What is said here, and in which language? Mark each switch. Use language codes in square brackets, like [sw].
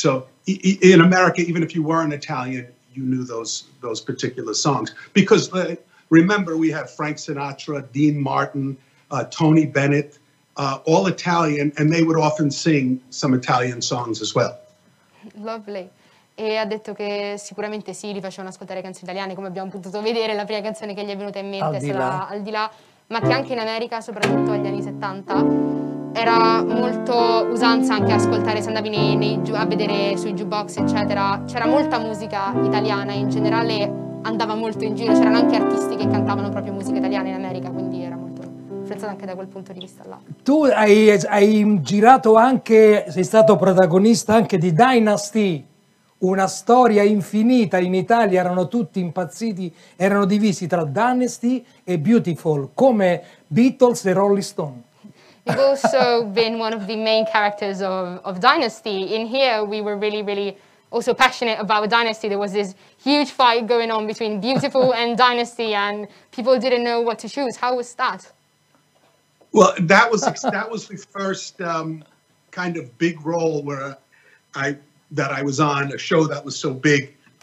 [en] So in America, even if you weren't Italian, you knew those particular songs, because remember, we have Frank Sinatra, Dean Martin, Tony Bennett, all Italian, and they would often sing some Italian songs as well. Lovely. [it] E ha detto che sicuramente sì, li facevano ascoltare canzoni italiane, come abbiamo potuto vedere, la prima canzone che gli è venuta in mente sarà Al di là, ma che anche in America, soprattutto agli anni 70, era molto usanza anche ascoltare, se andavi a vedere sui jukebox, eccetera, c'era molta musica italiana in generale. Andava molto in giro, c'erano anche artisti che cantavano proprio musica italiana in America, quindi era molto influenzato anche da quel punto di vista là. Tu hai girato anche, sei stato protagonista anche di Dynasty, una storia infinita in Italia, erano tutti impazziti, erano divisi tra Dynasty e Beautiful, come Beatles e Rolling Stone. [en] You've also been one of the main characters of Dynasty. In here we were really, really also passionate about Dynasty. There was this huge fight going on between Beautiful and Dynasty, and people didn't know what to choose. How was that? Well, that was the first kind of big role that I was on, a show that was so big.